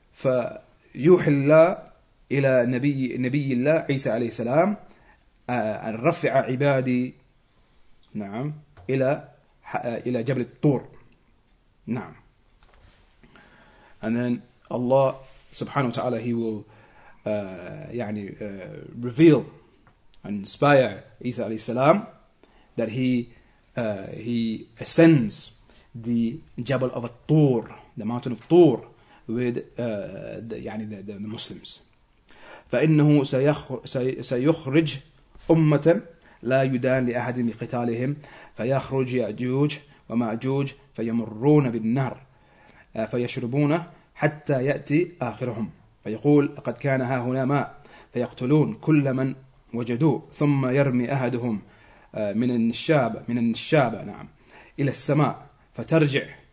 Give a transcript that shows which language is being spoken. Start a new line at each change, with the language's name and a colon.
Arabic: فيوحى الله إلى نبي الله عيسى عليه السلام أن رفع عبادي نعم إلى إلى جبل الطور. نعم.
English: And then Allah subhanahu wa ta'ala, he will reveal and inspire Isa alayhi salam that he ascends the Jabal of al-Tur, the mountain of Tur, with the Muslims.
Arabic: فَإِنَّهُ سَيُخْرِجْ أُمَّةً لَا يُدَانْ لِأَحَدٍ بِقِتَالِهِمْ فَيَخْرُجْ يَأْجُوجْ ومأجوج فيمرون بالنهر فيشربونه حتى يأتي آخرهم فيقول قد كان ها هنا ماء فيقتلون كل من وجدوه ثم يرمي أحدهم من النشابة نعم إلى السماء فترجع